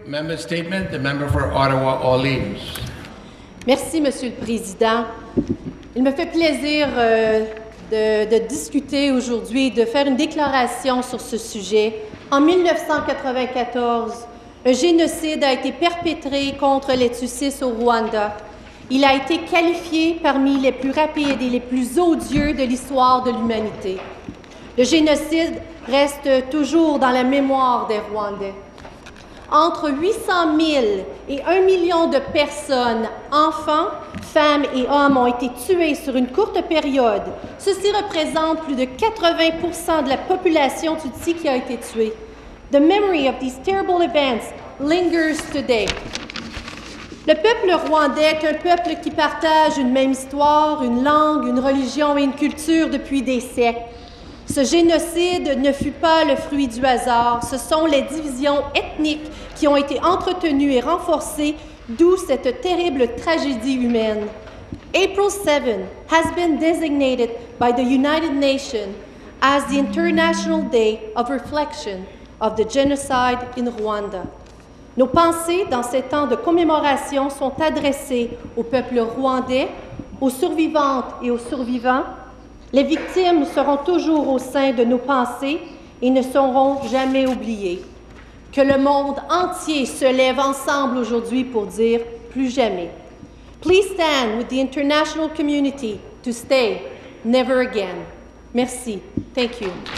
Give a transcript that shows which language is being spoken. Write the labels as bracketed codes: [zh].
[en] Member statement, the member for Ottawa Orleans. [fr] Merci, Monsieur le Président. Il me fait plaisir de discuter aujourd'hui, de faire une déclaration sur ce sujet. En 1994, un génocide a été perpétré contre les Tutsis au Rwanda. Il a été qualifié parmi les plus rapides et les plus odieux de l'histoire de l'humanité. Le génocide reste toujours dans la mémoire des Rwandais. Entre 800 000 et 1 million de personnes, enfants, femmes et hommes, ont été tués sur une courte période. Ceci représente plus de 80 % de la population tutsi qui a été tuée. [en] The memory of these terrible events lingers today. [fr] Le peuple rwandais est un peuple qui partage une même histoire, une langue, une religion et une culture depuis des siècles. Ce génocide ne fut pas le fruit du hasard. Ce sont les divisions ethniques qui ont été entretenues et renforcées, d'où cette terrible tragédie humaine. [en] April 7 has been designated by the United Nations as the International Day of Reflection of the Genocide in Rwanda. [fr] Nos pensées dans ces temps de commémoration sont adressées au peuple rwandais, aux survivantes et aux survivants. Les victimes seront toujours au sein de nos pensées et ne seront jamais oubliées. Que le monde entier se lève ensemble aujourd'hui pour dire plus jamais. [en] Please stand with the international community to stay never again. [fr] Merci. [en] Thank you.